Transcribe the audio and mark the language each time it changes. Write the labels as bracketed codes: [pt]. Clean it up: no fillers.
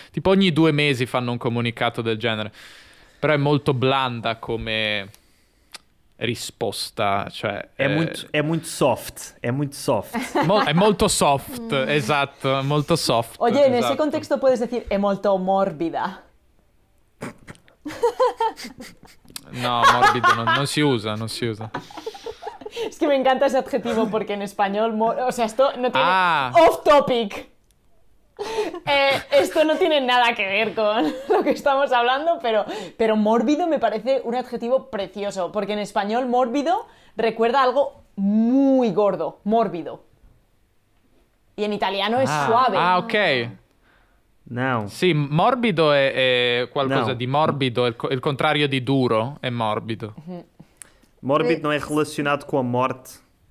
[it] Tipo ogni 2 mesi fanno un comunicato del genere. Però è molto blanda come risposta. Cioè, È molto soft. È molto soft. È molto soft, esatto. Molto soft. [es] Oye, [it] esatto. In questo contesto puoi dire è molto morbida. No, morbido non si usa, non si usa. [es] Es que me encanta ese adjetivo porque en español, o sea, esto no tiene off topic. Esto no tiene nada que ver con lo que estamos hablando, pero mórbido me parece un adjetivo precioso, porque en español mórbido recuerda algo muy gordo, mórbido. Y en italiano es suave. [en] Ah, okay. [es] No. [it] Sì, morbido è qualcosa di morbido, il contrario di duro è morbido. Morbido non è relazionato con la morte.